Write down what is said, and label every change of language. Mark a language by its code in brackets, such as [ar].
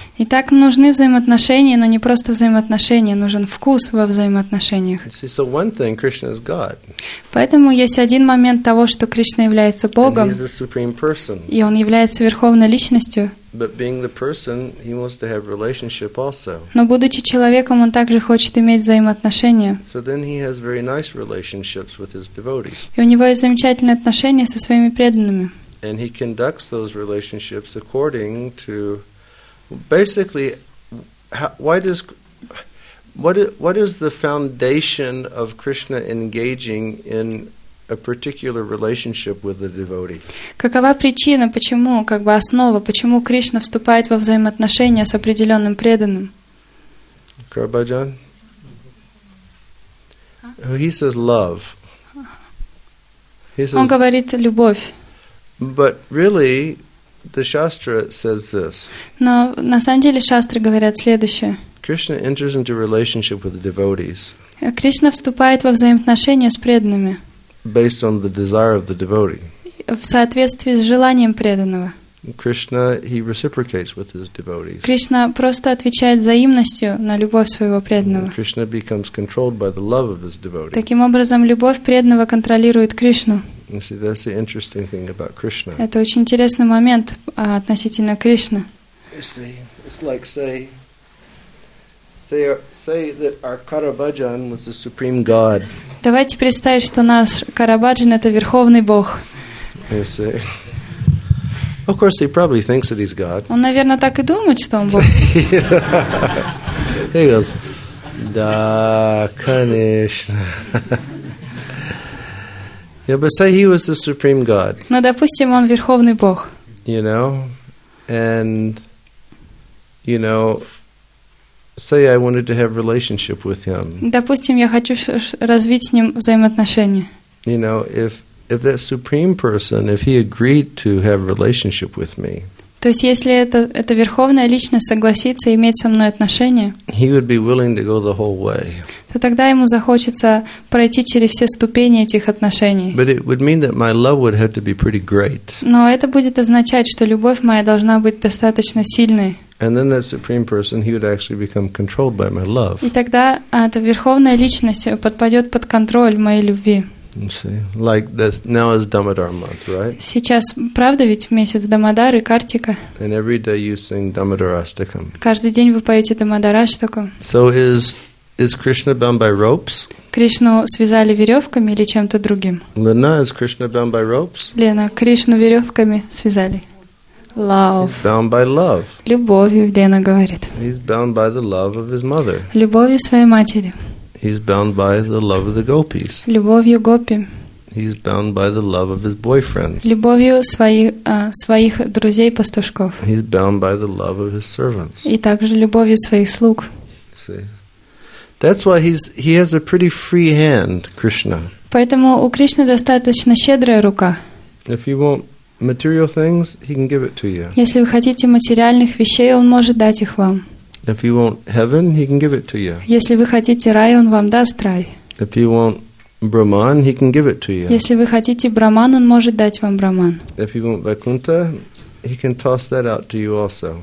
[ru] Итак, нужны взаимоотношения, но не просто взаимоотношения, нужен вкус во взаимоотношениях. [en] See, so one thing, Krishna is God. [ru] Поэтому есть один момент того, что Кришна является Богом. [en] And he is the supreme person. [ru] И он является верховной личностью. [en] But being the person, he wants to have relationship also. [ru] Но будучи человеком, он также хочет иметь взаимоотношения. [en] So then he has very nice relationships with his devotees. [ru] И у него есть замечательные отношения со своими преданными. [en] And he conducts those relationships according to, basically, what is the foundation of Krishna engaging in a particular relationship with a devotee? [ru] Какова причина, почему, как бы основа, почему Кришна вступает во взаимоотношения с определенным преданным? Карбаджан? [en] He says love. He says, [ru] Он говорит любовь. [en] But really, the Shastra says this. [ru] Но на самом деле Шастры говорят следующее. [en] Krishna enters into relationship with the devotees. [ru] Кришна вступает во взаимоотношения с преданными. [en] Based on the desire of the devotee. [ru] В соответствии с желанием преданного. [en] Krishna, he reciprocates with his devotees. [ru] Кришна просто отвечает взаимностью на любовь своего преданного. [en] Krishna becomes controlled by the love of his devotee. [ru] Таким образом, любовь преданного контролирует Кришну. [en] You see, that's the interesting thing about Krishna. [ru] Это очень интересный момент относительно Кришны. [en] You see, it's like say that our Karabhajan was the supreme god. [ru] Давайте представим, что наш Карабаджан — это Верховный Бог. [en] Of course, he probably thinks that he's God. [ru] Он, наверное, так и думает, что он Бог. [en] He goes, [ru] да, конечно. [en] Yeah, but say he was the supreme God. [ru] Но, допустим, он Верховный Бог. [en] You know, and you know, say I wanted to have relationship with him. [ru] Допустим, я хочу развить с ним взаимоотношения. [en] You know, if that supreme person, if he agreed to have relationship with me. [ru] То есть, если эта верховная личность согласится иметь со мной отношения. [en] He would be willing to go the whole way. [ru] То тогда ему захочется пройти через все ступени этих отношений. [en] But it would mean that my love would have to be pretty great. [ru] Но это будет означать, что любовь моя должна быть достаточно сильной. [en] And then that supreme person, he would actually become controlled by my love. [ru] И тогда эта верховная личность подпадет под контроль моей любви. [en] Like this, now is Damodar month, right? [ru] Сейчас, правда ведь, месяц Дамодар и Картика? [en] And every day you sing Damodar Ashtakam. [ru] Каждый день вы поете Дамодар Ашткам. [en] So is Krishna bound by ropes? [ru] Кришну связали веревками или чем-то другим? [en] Lena, is Krishna bound by ropes? [ru] Лена, Кришну веревками связали. [en] Love. He's bound by love. [ru] Любовью, Лена говорит. [en] He's bound by the love of his mother. [ru] Любовью своей матери. [en] He's bound by the love of the gopis. [ru] Любовью гопи. [en] He's bound by the love of his boyfriends. [ru] Любовью своих друзей-пастушков. [en] He's bound by the love of his servants. [ru] И также любовью своих слуг. [en] See? That's why he has a pretty free hand, Krishna. [ru] Поэтому у Кришны достаточно щедрая рука. [en] If you want material things, he can give it to you. [ru] Если вы хотите материальных вещей, он может дать их вам. [en] If you want heaven, he can give it to you. [ru] Если вы хотите рай, он вам даст рай. [en] If you want Brahman, he can give it to you. [ru] Если вы хотите Брахман, он может дать вам Брахман. [en] If you want Vaikuntha, he can toss that out to you also.